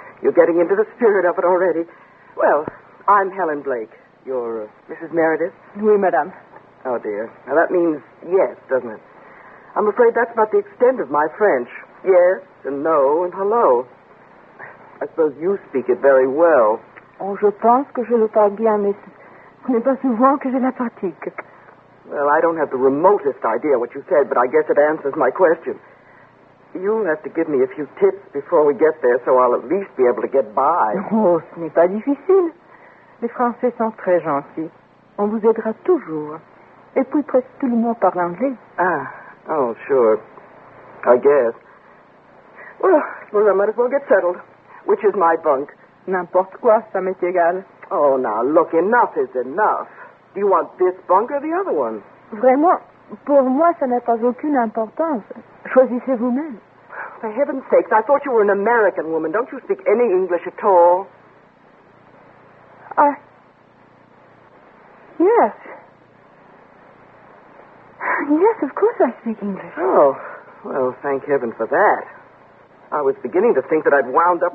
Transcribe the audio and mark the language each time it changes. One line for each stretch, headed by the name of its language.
English: You're getting into the spirit of it already. Well, I'm Helen Blake. You're Mrs. Meredith?
French: Oui, madame.
English: Oh, dear. Now, that means yes, doesn't it? I'm afraid that's about the extent of my French. Yes and no and hello. I suppose you speak it very well.
French: Oh, je pense que je le parle bien, mais ce n'est pas souvent que je la pratique.
English: Well, I don't have the remotest idea what you said, but I guess it answers my question. You'll have to give me a few tips before we get there, so I'll at least be able to get by.
French: Oh, ce n'est pas difficile. Les Français sont très gentils. On vous aidera toujours. Et puis, presque tout le monde parle anglais.
English: Ah, oh, sure. I guess. Well, I suppose I might as well get settled. Which is my bunk?
French: N'importe quoi, ça m'est égal.
English: Oh, now, look, enough is enough. Do you want this bunk or the other one?
French: Vraiment, pour moi, ça n'a pas aucune importance. Choisissez vous-même.
English: For heaven's sakes, I thought you were an American woman. Don't you speak any English at all? Yes. Yes, of course I speak English. Oh, well, thank heaven for that. I was beginning to think that I'd wound up...